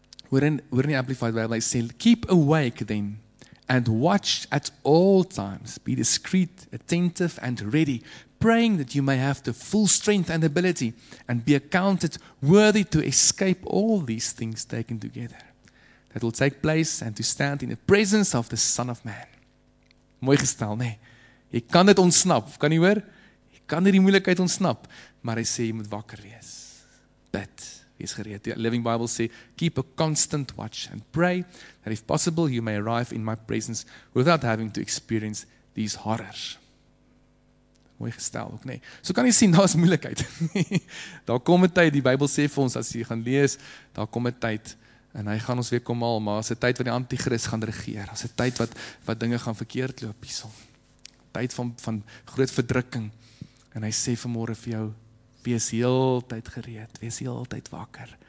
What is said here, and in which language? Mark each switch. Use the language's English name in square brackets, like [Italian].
[Afrikaans] Hoor in die Amplified Bible hy sê [English] keep awake then and watch at all times, be discreet, attentive and ready, praying that you may have the full strength and ability and be accounted worthy to escape all these things taken together. That will take place and to stand in the presence of the Son of Man. [Afrikaans] Mooi gestel, nee. Jy kan dit ontsnap, kan jy hoor? Jy kan hierdie moeilikheid ontsnap, maar hy sê jy moet wakker wees. Bid, wees gereed. [English] The Living Bible sê, keep a constant watch and pray that if possible you may arrive in my presence without having to experience these horrors. [Afrikaans] Mooi gestel ook, nee. So kan jy sien, daar is moeilikheid. Daar kom 'n tyd, die Bybel sê vir ons, as jy gaan lees, daar kom 'n tyd, en hy gaan ons weer kom haal, maar as die tyd wat die antichrist gaan regeer, as die tyd wat dinge gaan verkeerd loop, die tyd van groot verdrukking, en hy sê vanmorgen vir jou, wees heel tyd gereed, wees heel tyd wakker.